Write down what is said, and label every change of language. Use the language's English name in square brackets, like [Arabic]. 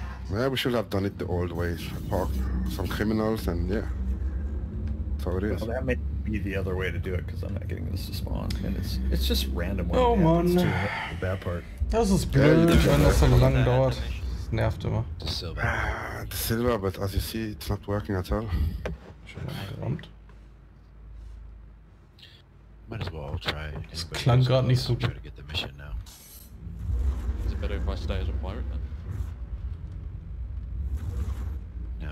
[English] Well, we should have done it the old way. Park some criminals and yeah. So it is. Well, that might be the other way to do it because I'm not getting this to spawn. And it's just random. Oh, man. The bad part. [German] Das ist blöd, wenn das so lange dauert. Das nervt immer. [English] The silver. The silver, but as you see, it's not working at all. [German] Verdammt. [English] Might as well try. [German] Es klang gerade nicht so. [English] Try to get the mission now. Is it better if I stay as a pirate then?